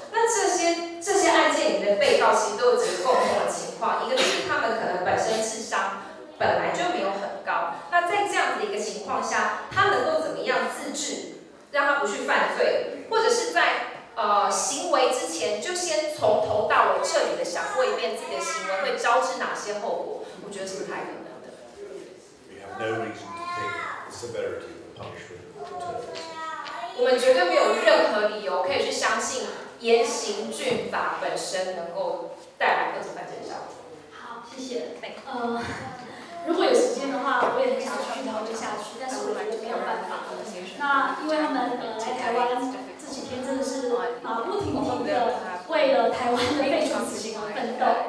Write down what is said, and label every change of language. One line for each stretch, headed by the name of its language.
Chinese: 那这些案件里面的被告其实都有几个共同的情况，一个就是他们可能本身智商本来就没有很高，那在这样子的一个情况下，他能够怎么样自制，让他不去犯罪，或者是在行为之前就先从头到尾彻底的想过一遍自己的行为会招致哪些后果，我觉得是不太可能的。
English: We have no reason to think the severity of the punishment determines.
Chinese: 我们绝对没有任何理由可以去相信严刑峻法本身能够带来各种犯罪效果。好，谢谢。如果有时间的话，我也很想去了解下去，但是我们就没有办法。那因为他们来台湾这几天真的是不停地的为了台湾的废除死刑奋斗。